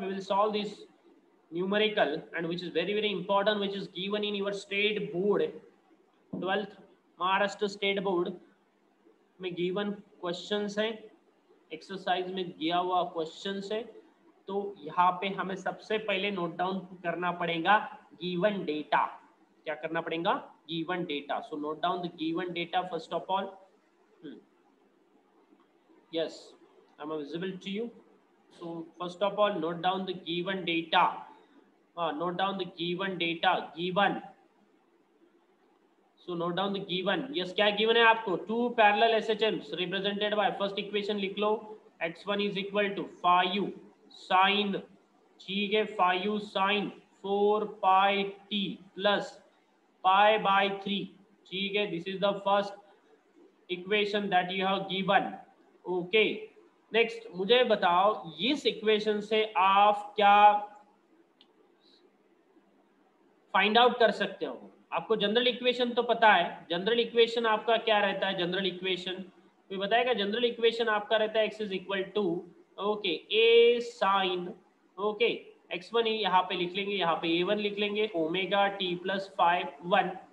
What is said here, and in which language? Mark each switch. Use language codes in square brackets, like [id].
[en] We will solve this numerical, and which is very, very important, which is given in your state board, 12th Maharashtra state board [hi] में given questions हैं, [en] exercise में दिया हुआ questions हैं. [hi] तो यहाँ पे हमें सबसे पहले note down करना पड़ेगा given data. क्या करना पड़ेगा? [en] Given data. So note down the given data first of all. Yes, I'm visible to you. So first of all, note down the given data. Note down the given data. Given. So note down the given. [hi] Yes, क्या given है आपको? [en] Two parallel SHMs represented by first equation [hi] लिख लो. [en] X1 is equal to 5u sine. ठीक है, 5u sine 4 pi t plus pi by 3. ठीक है, this is the first equation that you have given. Okay. [hi] Next मुझे बताओ इस equation से आप क्या फाइंड आउट कर सकते हो. आपको जनरल इक्वेशन तो पता है, जनरल इक्वेशन आपका क्या रहता है? जनरल इक्वेशन कोई बताएगा? जनरल इक्वेशन आपका रहता है x is equal to okay A sign okay x one यहाँ पे लिख लेंगे, यहाँ पे ए वन लिख लेंगे, omega T plus five one.